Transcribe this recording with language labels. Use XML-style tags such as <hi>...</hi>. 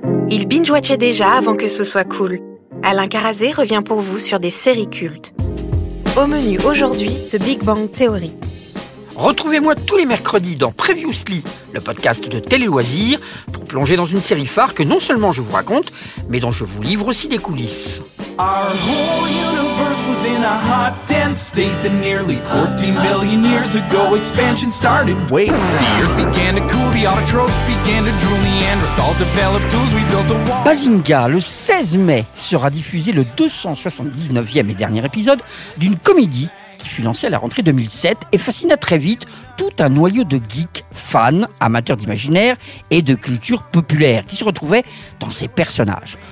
<fr>Il binge-watchait déjà avant que ce soit cool. Alain Carazé revient pour vous sur des séries cultes. Au menu aujourd'hui, The Big Bang Theory. Retrouvez-moi tous les mercredis dans Previously, le podcast de Télé-Loisirs, pour plonger dans une série phare que non seulement je vous raconte, mais dont je vous livre aussi des coulisses.</fr> <en>Our whole universe was in a hot, dense state that nearly 14 billion years ago expansion started. Wait, the earth began to cool, the autotrophs began to drool, Neanderthals developed tools, we built a wall.</en> <fr>Bazinga, le 16 mai, sera diffusé le 279e et dernier épisode d'une comédie qui fut lancée à la rentrée 2007 et fascina très vite tout un noyau de geeks, fans, amateurs d'imaginaire et de culture populaire qui se retrouvaient dans ces personnages.</fr>